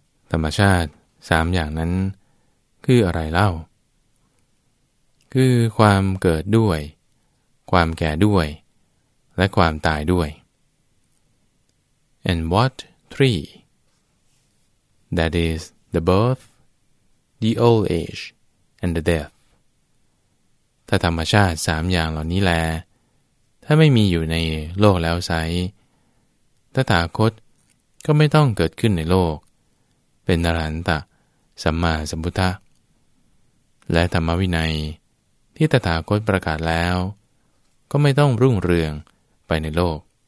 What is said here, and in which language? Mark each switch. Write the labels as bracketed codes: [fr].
[th] ธรรมชาติสามอย่างนั้นคืออะไรเล่าคือความเกิดด้วยความแก่ด้วยและความตายด้วย [en] And what three? That is the birth, the old age, and the death. [th] ถ้าธรรมชาติสามอย่างเหล่านี้แลถ้าไม่มีอยู่ในโลกแล้วไซ ตถาคตก็ไม่ต้องเกิดขึ้นในโลกเป็นอรหันตสัมมาสัมพุทธะและธรรมวินัยที่ตถาคตประกาศแล้วก็ไม่ต้องรุ่งเรืองไปในโลก